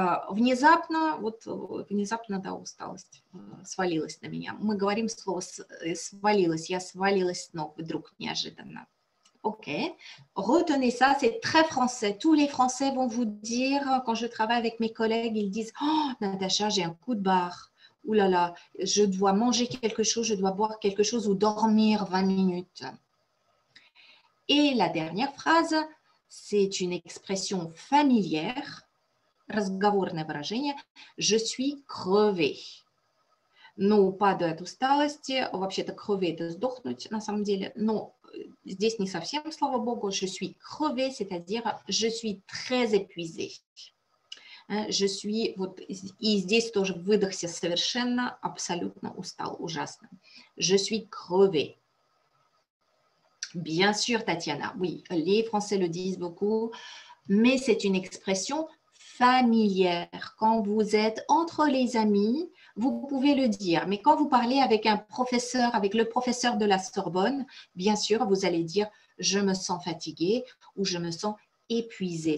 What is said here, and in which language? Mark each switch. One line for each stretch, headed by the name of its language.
Russian: Внезапно, вот внезапно, да, усталость свалилась на меня. Мы говорим слово «свалилась», я свалилась с ног вдруг неожиданно.
French: Ok, retenez ça, c'est très français. Tous les Français vont vous dire, quand je travaille avec mes collègues, ils disent «Oh, Natacha, j'ai un coup de barre». Ouh là là, je dois manger quelque chose, je dois boire quelque chose ou dormir 20 minutes. Et la dernière phrase, c'est une expression familière,
Russian: разговорное выражение,
French: je suis crevée. Non, pas de l'усталости,
Russian: вообще-то
French: crevée, de сдохнуть,
Russian: на самом деле.
French: Non,
Russian: здесь не совсем, слава богу,
French: je suis crevée, c'est-à-dire je suis très épuisée. Je suis,
Russian: вот, и здесь тоже выдохся совершенно, абсолютно устал, ужасно.
French: Je suis crevée. Bien sûr,
Russian: Татьяна,
French: oui, les Français le disent beaucoup, mais c'est une expression familière. Quand vous êtes entre les amis, vous pouvez le dire, mais quand vous parlez avec un professeur, avec le professeur de la Sorbonne, bien sûr, vous allez dire, je me sens fatiguée ou je me sens épuisée.